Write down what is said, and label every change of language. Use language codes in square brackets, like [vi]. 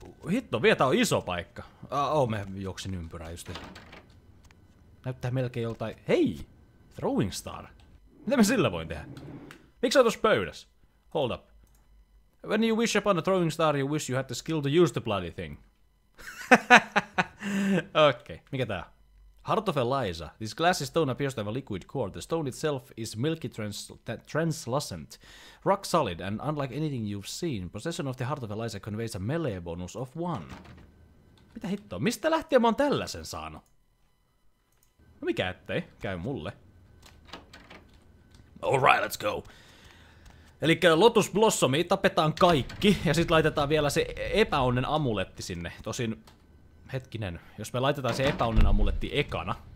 [fi] Hitto, vielä tää on iso paikka. Mä juoksin ympyrää just. Näyttää melkein joltain... Hei! Throwing star. Mitä mä sillä voin tehdä? Miks sä oot tossa pöydässä? [en] Hold up. When you wish upon a throwing star, you wish you had the skill to use the bloody thing. [fi] Okei, mikä tää? [en] Heart of Eliza. This glassy stone appears to have a liquid core. The stone itself is milky translucent, rock solid, and unlike anything you've seen, possession of the Heart of Eliza conveys a melee bonus of 1. [fi] Mitä hittoa? Mistä lähtien mä oon tällaisen saanut? No mikä ettei? Käy mulle. [en] Alright, let's go. [fi] Elikkä Lotus Blossomi, tapetaan kaikki, ja sit laitetaan vielä se epäonnen amuletti sinne. Tosin... Hetkinen, jos me laitetaan se epäonnen amuletti ekana,